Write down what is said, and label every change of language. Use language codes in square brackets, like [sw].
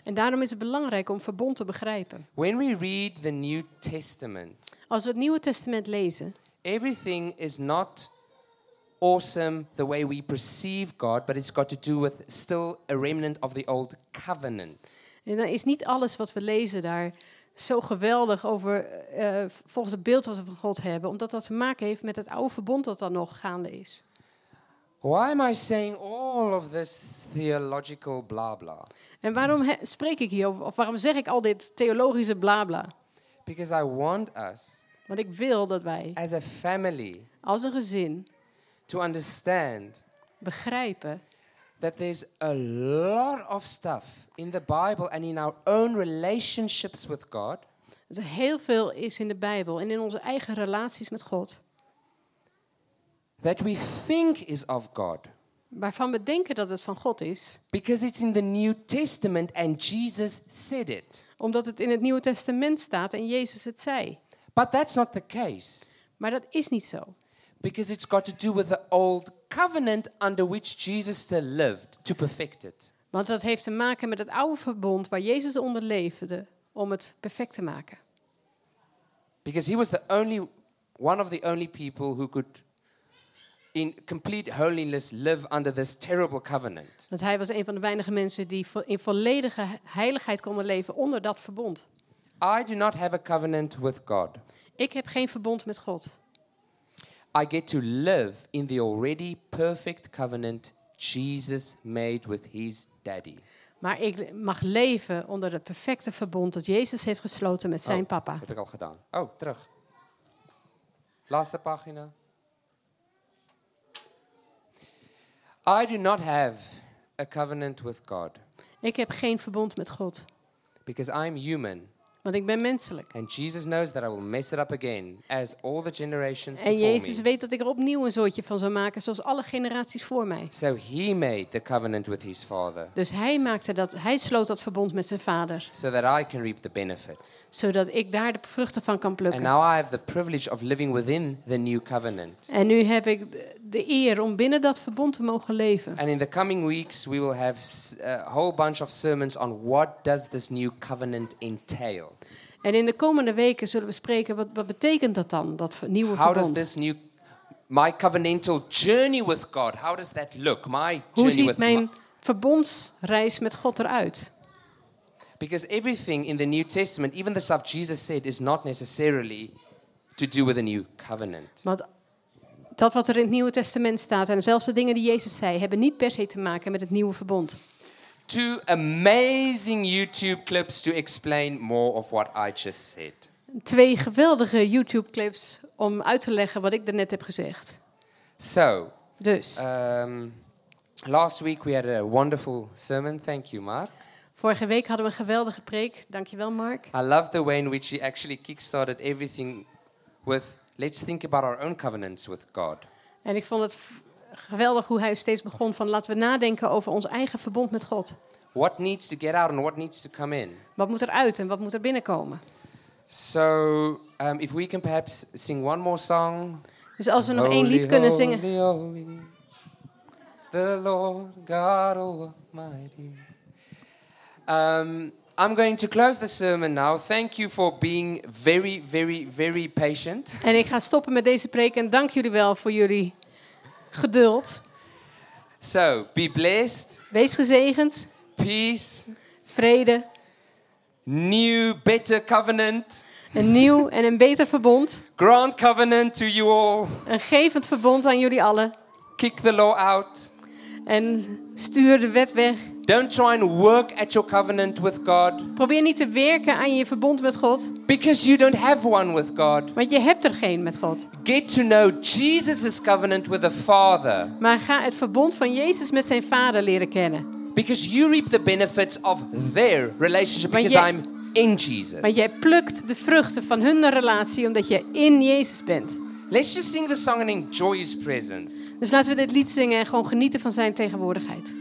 [nl] En daarom is het belangrijk om verbond te begrijpen. [en] When we read the New Testament. [nl] Als we het Nieuwe Testament lezen. [en] Everything is not awesome the way we perceive God, but it's got to do with still a remnant of the old covenant. [nl] En dan is niet alles wat we lezen daar zo geweldig over volgens het beeld wat we van God hebben, omdat dat te maken heeft met het oude verbond dat dan nog gaande is. [en] Why am I saying all of this theological blah blah? [nl] En waarom spreek ik hier over, of waarom zeg ik al dit theologische blah blah? [en] Because I want us. [nl] Want ik wil dat wij [en] as a family, [nl] als een gezin, [en] to understand, [nl] begrijpen [en] that there's a lot of stuff in the Bible and in our own relationships with God. [nl] Dat er heel veel is in de Bijbel en in onze eigen relaties met God. [en] That we think is of God. [nl] Waarvan we denken dat het van God is. [en] Because it's in the New Testament and Jesus said it. [nl] Omdat het in het Nieuwe Testament staat en Jezus het zei. [en] But that's not the case. [nl] Maar dat is niet zo. [en] Because it's got to do with the old covenant under which Jesus still lived to perfect it. [nl] Want dat heeft te maken met het oude verbond waar Jezus onder leefde om het perfect te maken. [en] Because he was the only one of the only people who could in complete holiness live under this terrible covenant. [nl] Want hij was een van de weinige mensen die in volledige heiligheid konden leven onder dat verbond. [en] I do not have a covenant with God. [nl] Ik heb geen verbond met God. [en] I get to live in the already perfect covenant Jesus made with his daddy. [nl] Maar ik mag leven onder het perfecte verbond dat Jezus heeft gesloten met zijn papa. Heb ik al gedaan. Oh, terug. Laatste pagina. [en] I do not have a covenant with God. [nl] Ik heb geen verbond met God. [en] Because I'm human. [nl] Want ik ben menselijk. [en] And Jesus knows that I will mess it up again, as all the generations before me. [nl] En Jezus weet dat ik er opnieuw een zootje van zou maken, zoals alle generaties voor mij. [en] So he made the covenant with his father. [nl] Dus hij sloot dat verbond met zijn vader. [en] So that I can reap the benefits. [nl] Zodat ik daar de vruchten van kan plukken. [en] And now I have the privilege of living within the new covenant. [nl] En nu heb ik de eer om binnen dat verbond te mogen leven. [en] And in the coming weeks we will have a whole bunch of sermons on what does this new covenant entail. [nl] En in de komende weken zullen we spreken wat betekent dat dan, dat nieuwe verbond? [en] How does this new my covenantal journey with God? How does that look? My [nl] hoe ziet [en] with [nl] mijn verbondsreis met God eruit? [en] Because everything in the New Testament, even the stuff Jesus said, is not necessarily to do with a new covenant. [nl] Want dat wat er in het Nieuwe Testament staat en zelfs de dingen die Jezus zei, hebben niet per se te maken met het nieuwe verbond. [en] Two amazing YouTube clips to explain more of what I just said. [nl] Twee geweldige YouTube clips om uit te leggen wat ik daarnet heb gezegd. [en] So. [nl] Dus. [en] Last week we had a wonderful sermon. Thank you, Mark. [nl] Vorige week hadden we een geweldige preek. Dankjewel, Mark. [en] I love the way in which he actually kickstarted everything with let's think about our own covenants with God. [nl] En ik vond het geweldig hoe hij steeds begon van laten we nadenken over ons eigen verbond met God. [en] What needs to get out and what needs to come in? [nl] Wat moet eruit en wat moet er binnenkomen? [en] So, if we can perhaps sing one more song. [nl] Dus als we nog één lied kunnen zingen. [en] Holy, holy, it's the Lord God Almighty. I'm going to close the sermon now. Thank you for being very, very, very patient. [nl] En ik ga stoppen met deze preek en dank jullie wel voor jullie geduld. [en] So, be blessed. [nl] Wees gezegend. [en] Peace. [nl] Vrede. [en] New, better covenant. [nl] Een nieuw en een beter verbond. [en] Grand covenant to you all. [nl] Een gevend verbond aan jullie allen. [en] Kick the law out. [nl] En stuur de wet weg. [en] Don't try and work at your covenant with God. [nl] Probeer niet te werken aan je verbond met God. [en] Because you don't have one with God. [nl] Want je hebt er geen met God. [en] Get to know Jesus' covenant with the Father. [nl] Maar ga het verbond van Jezus met zijn Vader leren kennen. [en] Because you reap the benefits of their relationship because I'm in Jesus. [nl] Maar jij plukt de vruchten van hun relatie omdat je in Jezus bent. [en] Let's just sing the song and enjoy his presence. [nl] Dus laten we dit lied zingen en gewoon genieten van zijn tegenwoordigheid.